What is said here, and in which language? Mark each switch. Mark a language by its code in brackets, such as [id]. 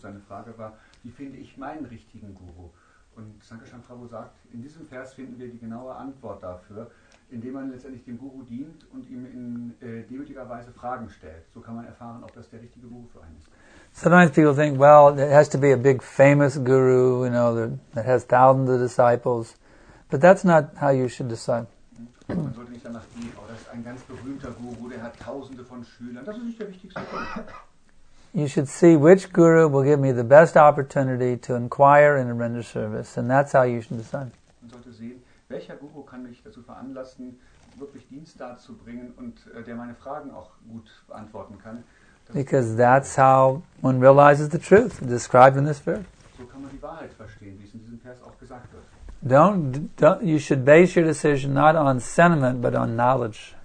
[de] Seine Frage war, wie finde ich meinen richtigen Guru? Und Sankarshan Prabhu sagt, in diesem Vers finden wir die genaue Antwort dafür, indem man letztendlich dem Guru dient und ihm in demütiger Weise Fragen stellt. So kann man erfahren, ob das der richtige Guru für einen ist. [en] Sometimes people think, well, it has to be a big famous guru, you know, that has thousands of disciples. But that's not how you should decide. [de] Man sollte nicht danach gehen, oh, das ist ein ganz berühmter Guru, der hat tausende von Schülern. Das ist nicht der wichtigste Guru. [en] You should see which guru will give me the best opportunity to inquire and render service, and that's how you should decide. [de] Man sollte sehen, welcher Guru kann mich dazu veranlassen, wirklich Dienst dazu bringen und der meine Fragen auch gut beantworten kann. [en] Because that's how one realizes the truth described in this verse. [de] So kann man die Wahrheit verstehen, wie es in diesem Vers auch gesagt wird. [en] You should base your decision not on sentiment but on knowledge.